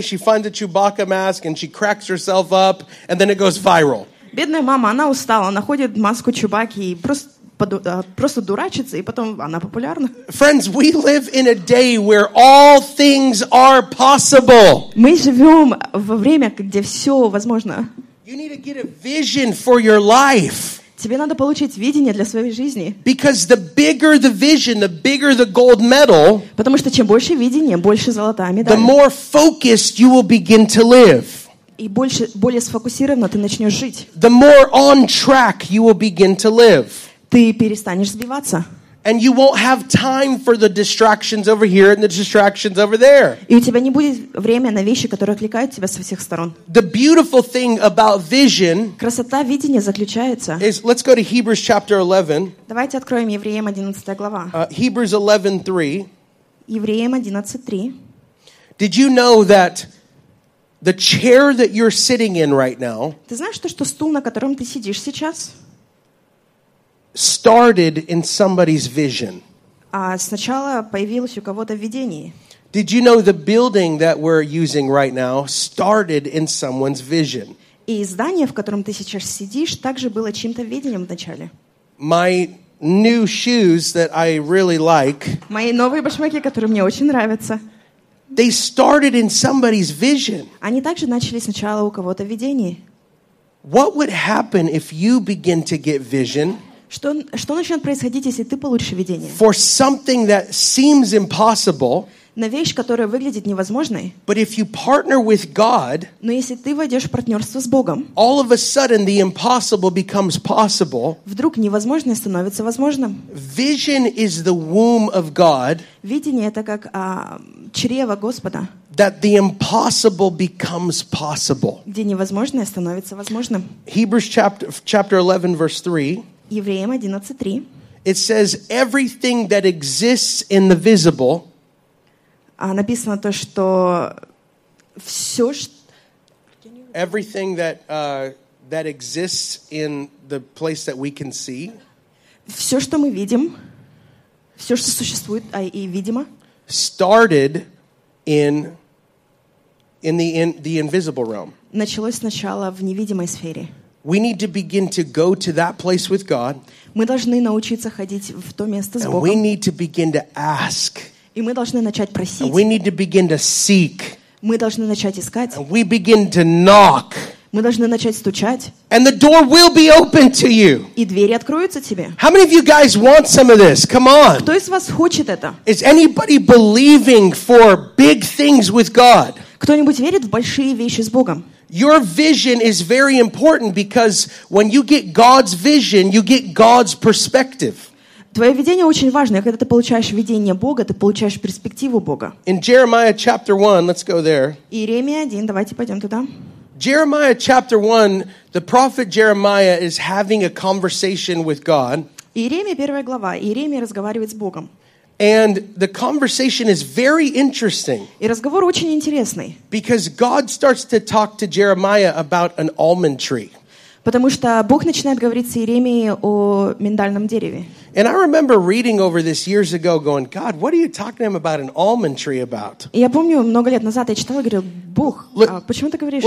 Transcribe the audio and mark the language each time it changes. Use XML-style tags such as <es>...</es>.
<en>She finds a Chewbacca mask and she cracks herself up, and then it goes viral.</en> <ru>Бедная мама, она устала, находит маску Чубаки и просто дурачится, и потом она популярна.</ru> <en>Friends, we live in a day where all things are possible.</en> <ru>Мы живем во время, где все возможно.</ru> <en>You need to get a vision for your life.</en> <ru>Тебе надо получить видение для своей жизни.</ru> <en>Because the bigger the vision, the bigger the gold medal.</en> <ru>Потому что чем больше видение, больше золотая медаль.</ru> <en>The more focused you will begin to live.</en> <ru>И больше, более сфокусированно ты начнешь жить.</ru> <en>The more on track you will begin to live.</en> <ru>Ты перестанешь сбиваться.</ru> <en>And you won't have time for the distractions over here and the distractions over there.</en> <ru>И у тебя не будет времени на вещи, которые отвлекают тебя со всех сторон.</ru> <en>The beautiful thing about vision.</en> <ru>Красота видения заключается.</ru> <en>Is, let's go to Hebrews chapter 11.</en> <ru>Давайте откроем Евреям 11 глава.</ru> <en>Hebrews 11:3.</en> <ru>Евреям 11:3.</ru> <en>Did you know that the chair that you're sitting in right now?</en> <ru>Ты знаешь то, что стул, на котором ты сидишь сейчас?</ru> <en>Started in somebody's vision.</en> <ru>Сначала появилось у кого-то видение.</ru> <en>Did you know the building that we're using right now started in someone's vision?</en> <ru>И здание, в котором ты сейчас сидишь, также было чьим-то видением вначале.</ru> <en>My new shoes that I really like.</en> <ru>Мои новые башмаки, которые мне очень нравятся.</ru> <en>They started in somebody's vision.</en> <ru>Они также начали сначала у кого-то видение.</ru> <en>What would happen if you begin to get vision?</en> <ru>Что начнет происходить, если ты получишь видение?</ru> <en>For something that seems impossible.</en> <ru>На вещь, которая выглядит невозможной.</ru> <en>But if you partner with God.</en> <ru>Но если ты войдешь в партнерство с Богом.</ru> <en>All of a sudden the impossible becomes possible.</en> <ru>Вдруг невозможное становится возможным.</ru> <en>Vision is the womb of God.</en> <ru>Видение это как чрево Господа.</ru> <en>That the impossible becomes possible.</en> <ru>Где невозможное становится возможным.</ru> <en>Hebrews chapter 11 verse 3.</en> <ru>Евреям 11:3.</ru> <en>It says everything that exists in the visible.</en> <ru>Написано то, что все,</ru> <en>everything that that exists in the place that we can see.</en> <ru>Все, что мы видим, все, что существует и видимо.</ru> <en>Started in the invisible realm.</en> <ru>Началось сначала в невидимой сфере.</ru> <en>We need to begin to go to that place with God.</en> <ru>Мы должны научиться ходить в то место с Богом.</ru> <en>And we need to begin to ask.</en> <ru>И мы должны начать просить.</ru> <en>And we need to begin to seek.</en> <ru>Мы должны начать искать.</ru> <en>And we begin to knock.</en> <ru>Мы должны начать стучать.</ru> <en>And the door will be open to you.</en> <ru>И двери откроются тебе.</ru> <en>How many of you guys want some of this? Come on.</en> <ru>Кто из вас хочет это?</ru> <en>Is anybody believing for big things with God?</en> <ru>Кто-нибудь верит в большие вещи с Богом?</ru> <en>Your vision is very important because when you get God's vision, you get God's perspective.</en> <ru>Твое видение очень важно. Когда ты получаешь видение Бога, ты получаешь перспективу Бога.</ru> <en>In Jeremiah chapter 1, let's go there.</en> <ru>Иеремия 1, давайте пойдем туда.</ru> <en>Jeremiah chapter 1, the prophet Jeremiah is having a conversation with God.</en> <ru>Иеремия 1 глава. Иеремия разговаривает с Богом.</ru> <en>And the conversation is very interesting.</en> <ru>И разговор очень интересный.</ru> <en>Because God starts to talk to Jeremiah about an almond tree.</en> <ru>Потому что Бог начинает говорить с Иеремией о миндальном дереве.</ru> <en>And I remember reading over this years ago going, God, what are you talking to him about an almond tree about?</en> <ru>И я помню, много лет назад я читал и говорил, Бог,</ru> <en>look,</en> <ru>а почему ты говоришь о</ru>